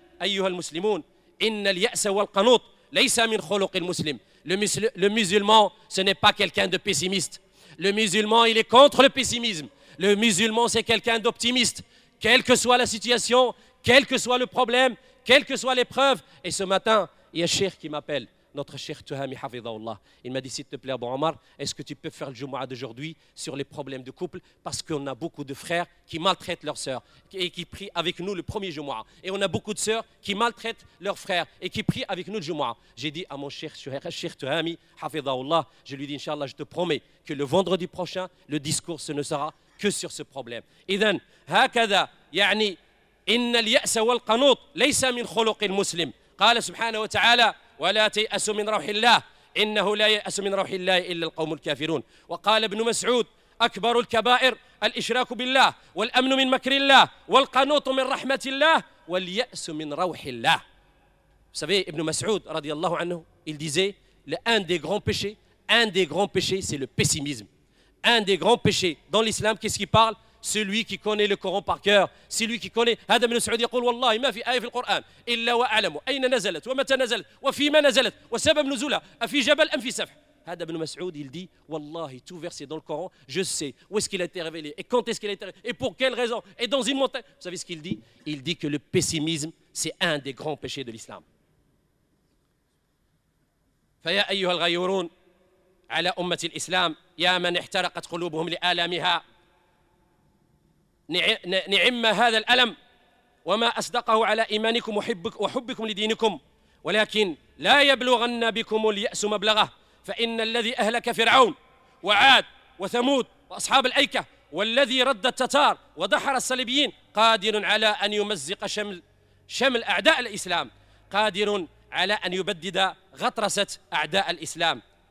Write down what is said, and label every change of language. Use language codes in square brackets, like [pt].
[ar] أيها المسلمون إن اليأس والقنوط ليس من خلق المسلم. [fr] Le musulman ce n'est pas quelqu'un de pessimiste. Le musulman il est contre le pessimisme. Le musulman c'est quelqu'un d'optimiste. Quelle que soit la situation, quel que soit le problème, quelle que soit l'épreuve. Et ce matin, il y a un cheikh qui m'appelle, notre cheikh Tuhami Hafidhahullah. Il m'a dit, s'il te plaît, Abou Omar, est-ce que tu peux faire le Jumu'ah d'aujourd'hui sur les problèmes de couple? Parce qu'on a beaucoup de frères qui maltraitent leurs sœurs et qui prient avec nous le premier Jumu'ah. Et on a beaucoup de sœurs qui maltraitent leurs frères et qui prient avec nous le Jumu'ah. J'ai dit à mon cheikh Tuhami Hafidhahullah, je lui dis, Inch'Allah, je te promets que le vendredi prochain, le discours ce ne sera que sur ce problème. [ar] Idhan, hakada, ya'ni, إن اليأس والقنوط ليس من خلق المسلم. قال سبحانه وتعالى ولا تيأس من روح الله إنه لا ييأس من روح الله إلا القوم الكافرون. وقال ابن مسعود أكبر الكبائر الإشراك بالله والأمن من مكر الله والقنوط من رحمة الله واليأس من روح الله. [fr] savez ابن مسعود رضي الله عنه il disait un des grands péchés c'est le pessimisme. Un des grands péchés dans l'islam, qu'est-ce qu'il parle? Celui qui connaît le Coran par cœur, celui qui connaît. [ar] هذا ابن سعود يقول والله ما في آية في القرآن إلا وأعلم أين نزلت ومتى نزلت وفيما نزلت وسبب نزولها أفي جبل أم في سفح. هذا ابن مسعود [fr] il dit والله tout versé dans le Coran je sais où est-ce qu'il a été révélé et quand est-ce qu'il a été révélé et pour quelle raison et dans une montagne. Vous savez ce qu'il dit? Il dit que le pessimisme c'est un des grands péchés de l'islam. [ar] فيا أيها الغيورون على أمة الإسلام يا من احترقت قلوبهم لآلامها نعم هذا الألم وما أصدقه على إيمانكم وحبكم لدينكم ولكن لا يبلغن بكم اليأس مبلغه فإن الذي أهلك فرعون وعاد وثمود وأصحاب الأيكة والذي رد التتار ودحر الصليبيين قادر على أن يمزق شمل أعداء الإسلام قادر على أن يبدد غطرسة أعداء الإسلام.